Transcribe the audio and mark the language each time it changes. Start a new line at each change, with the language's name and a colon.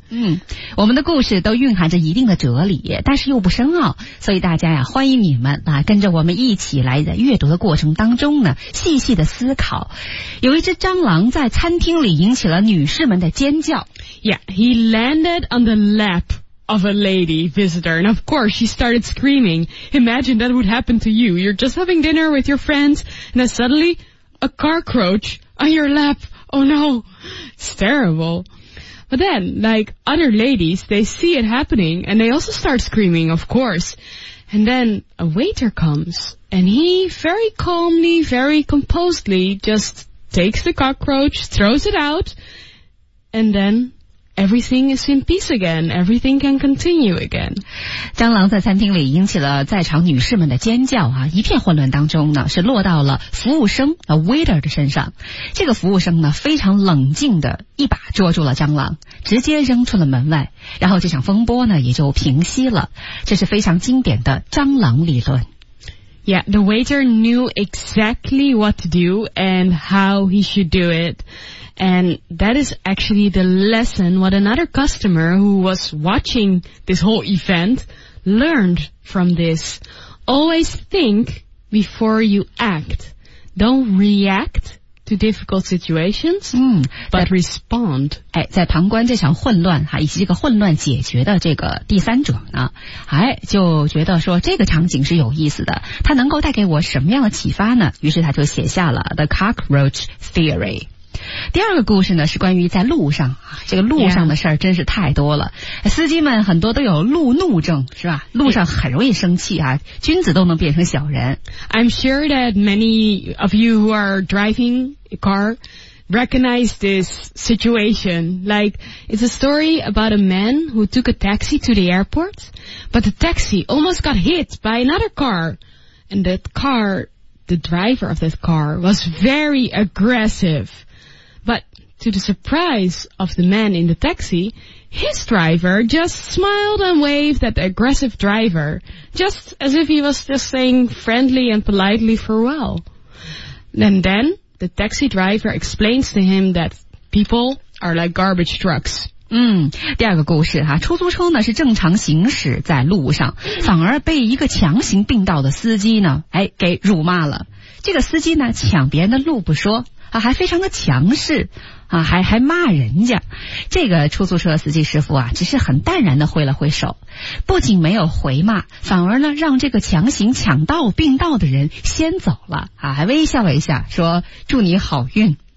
Chinese: 嗯，我们的故事都蕴含着一定的哲理，但是又不深奥，所以大家呀，欢迎你们啊，跟着我们一起来在阅读的过程当中呢，细细的思考。有一只蟑螂在餐厅里引起了女士们的尖叫。
English: Yeah, he landed on the lap of a lady visitor, and of course she started screaming. Imagine that would happen to you. You're just having dinner with your friends, and then suddenly a cockroach on your lap. Oh no, it's terrible. But then, like other ladies, they see it happening and they also start screaming, of course. And then a waiter comes and he very calmly, very composedly just takes the cockroach, throws it out, and then... Everything is in peace again. Everything can continue again.
Chinese: 蟑螂在餐厅里引起了在场女士们的尖叫啊！一片混乱当中呢，是落到了服务生 a waiter 的身上。这个服务生呢，非常冷静的一把捉住了蟑螂，直接扔出了门外。然后这场风波呢，也就平息了。这是非常经典的蟑螂理论。
English: Yeah, the waiter knew exactly what to do and how he should do it. And that is actually the lesson what another customer who was watching this whole event learned from this. Always think before you act. Don't react to difficult situations, but respond.
Chinese: 哎，在旁观这场混乱哈，以及这个混乱解决的这个第三者呢，哎，就觉得说这个场景是有意思的，它能够带给我什么样的启发呢？于是他就写下了 The Cockroach Theory。第二个故事呢是关于在路上，这个路上的事儿真是太多了、yeah. 司机们很多都有路怒症是吧，路上很容易生气啊，君子都能变成小人。
English: I'm sure that many of you who are driving a car recognize this situation. Like, it's a story about a man who took a taxi to the airport, but the taxi almost got hit by another car, and that car, the driver of that car was very aggressiveBut to the surprise of the man in the taxi, his driver just smiled and waved at the aggressive driver, just as if he was just saying friendly and politely farewell. And then the taxi driver explains to him that people are like garbage trucks.
Chinese: 第二个故事哈，出租车呢是正常行驶在路上，反而被一个强行并道的司机呢，给辱骂了。这个司机呢抢别人的路不说啊，还非常的强势啊，还骂人家。这个出租车司机师傅啊，只是很淡然的挥了挥手，不仅没有回骂，反而呢让这个强行抢道并道的人先走了啊，还微笑了一下，说祝你好运。